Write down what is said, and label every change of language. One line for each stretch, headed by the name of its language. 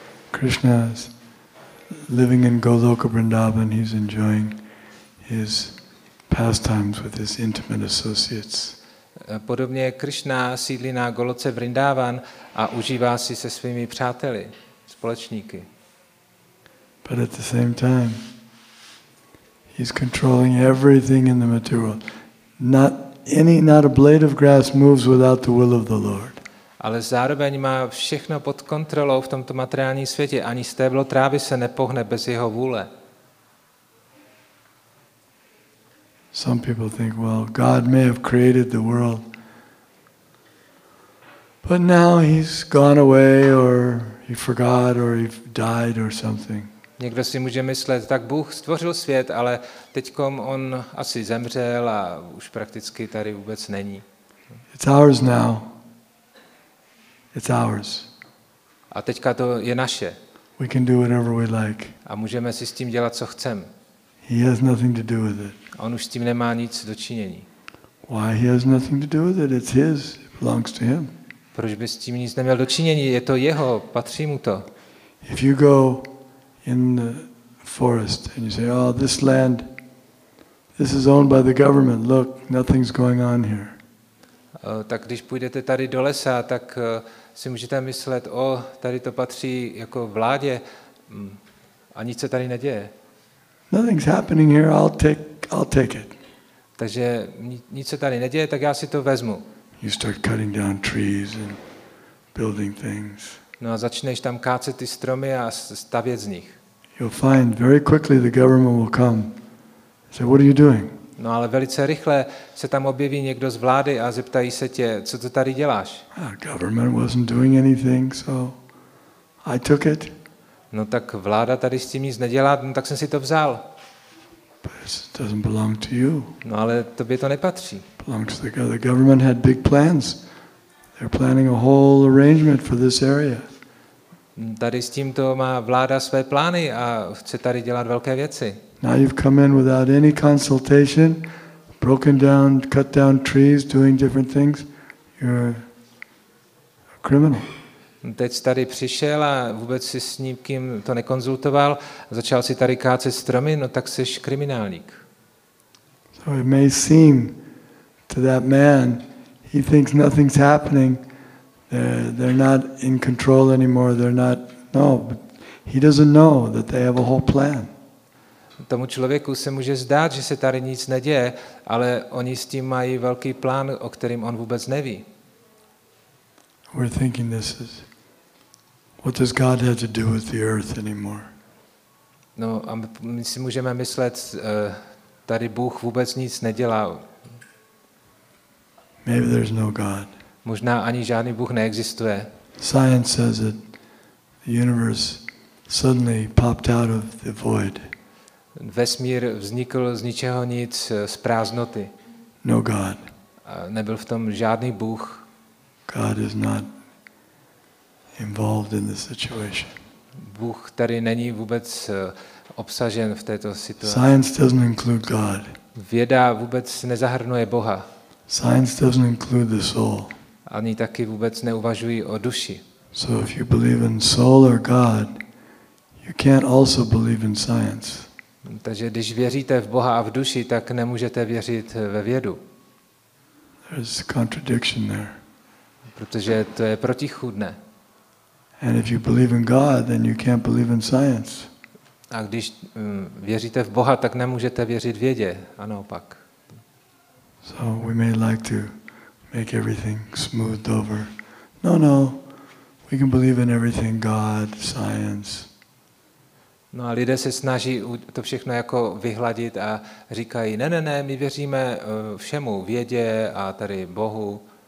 English: Krishna is living in Goloka Vrindavan, he's enjoying his pastimes with his intimate associates.
Czech: Podobně Krishna sídlí na Goloce Vrindavan a užívá si se svými přáteli, společníky.
English: But at the same time, he's controlling everything in the material. Not a blade of grass moves without the will of the Lord.
Czech: Ale zároveň má všechno pod kontrolou v tomto materiálním světě. Ani stéblo trávy se nepohne bez jeho vůle.
English: Some people think, well, God may have created the world, but now he's gone away, or he forgot, or he died, or something.
Czech: Někdo si může myslet, tak Bůh stvořil svět, ale teďkom on asi zemřel a už prakticky tady vůbec není.
English: It's ours now. It's ours.
Czech: A teďka to je naše.
English: We can do whatever we like.
Czech: A můžeme si s tím dělat, co chceme.
English: He has nothing to do with it.
Czech: On už s tím nemá nic dočinění.
English: Why he has nothing to do with it? It's his. It belongs to him.
Czech: Proč by s tím nic neměl dočinění? Je to jeho, patří mu to.
English: If you go in the forest and you say, oh, this land, this is owned by the government, look, nothing's going on here.
Czech: Tak když půjdete tady do lesa, tak si můžete myslet, o, tady to patří jako vládě a nic se tady neděje.
English: Nothing's happening here, I'll take it.
Czech: Takže nic se tady neděje, tak já si to vezmu.
English: You start cutting down trees and building things.
Czech: No a začneš tam kácet ty stromy a stavět z nich.
English: You'll find very quickly the government will come. Say, what are you doing?
Czech: No ale velice rychle se tam objeví někdo z vlády a zeptají se tě, co to tady děláš?
English: Government wasn't doing anything, so I took it.
Czech: No tak vláda tady s tím nic nedělá, no tak jsem si to vzal.
English: But it doesn't belong to you.
Czech: No ale tobě to nepatří.
English: Belongs to the government had big plans. They're planning a whole arrangement for this area.
Czech: Tady s tímto má vláda své plány a chce tady dělat velké věci.
English: Now you've come in without any consultation, broken down, cut down trees, doing different things. You're a criminal.
Czech: Teď jsi tady přišel a vůbec si s nikým to nekonzultoval, začal si tady kácet stromy, no tak jsi kriminálník.
English: So it may seem to that man, he thinks nothing's happening. They're not in control anymore. They're not. No, but he doesn't know that they have a whole plan.
Czech: Tomu člověku se může zdát, že se tady nic neděje, ale oni s tím mají velký plán, o kterém on vůbec neví.
English: We're thinking this is. What does God have to do with the earth anymore?
Czech: No, a my si můžeme myslet, tady Bůh vůbec nic nedělá.
English: Maybe there's no God.
Czech: Možná ani žádný Bůh neexistuje.
English: Science says that the universe suddenly popped out of the void.
Czech: Vesmír vznikl z ničeho nic, z prázdnoty.
English: No God.
Czech: Nebyl v tom žádný Bůh.
English: God is not involved in this situation.
Czech: Bůh tady není vůbec obsažen v této situaci.
English: Science doesn't include God.
Czech: Věda vůbec nezahrnuje Boha.
English: Science doesn't include the soul.
Czech: Ani taky vůbec neuvažují o duši.
English: So if you believe in soul or God, you can't also believe in science.
Czech: Takže když věříte v Boha a v duši, tak nemůžete věřit ve vědu.
English: There's a contradiction there.
Czech: Protože to je protichůdné.
English: And if you believe in God, then you can't believe in science.
Czech: A když věříte v Boha, tak nemůžete věřit vědě, a naopak.
English: So we may like to make everything smoothed over. No, we can believe in everything, God, science.
Czech: No a lidé se snaží to všechno jako vyhladit a říkají, ne, my věříme všemu, vědě a tady Bohu.